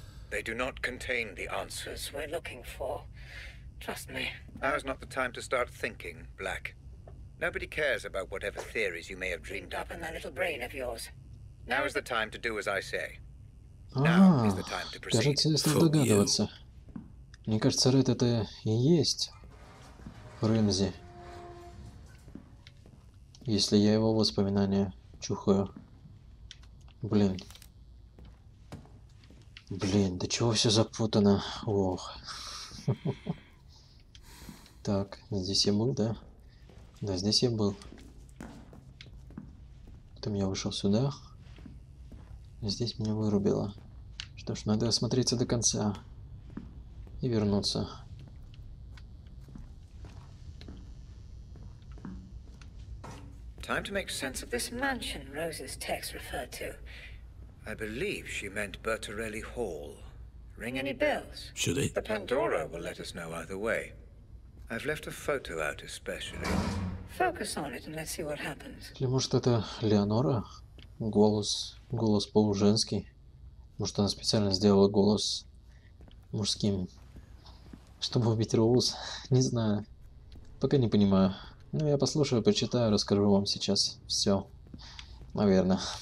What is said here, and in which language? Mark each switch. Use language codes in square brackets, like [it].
[en] They do not contain the answers we're looking for. Trust me. Now's not the time to start thinking, Black. Nobody cares about whatever theories you may have dreamed up in that little brain of yours. Now is the time to do as I say. Now is the time to proceed. [ru] Кажется, если догадываться. Мне кажется, Рэд это и есть Рэмзи. Если я его воспоминания чухаю. Блин, да чего все запутано? Ох. Так, здесь я был, да? Да, здесь я был. Потом я вышел сюда. Здесь меня вырубило. Что ж, надо осмотреться до конца. И вернуться. [en] Time to make sense of this mansion Rose's text referred to. I believe she meant Bertarelli Hall. ring any bells? Should it? The Pandora will let us know either way. I've left a photo out especially. Focus on it and let's see what happens. [ru] Или может это Леонора? Голос полуженский. Может, она специально сделала голос мужским, чтобы убить Роуз? Не знаю. Пока не понимаю. Ну, я послушаю, почитаю, расскажу вам сейчас все. Наверное.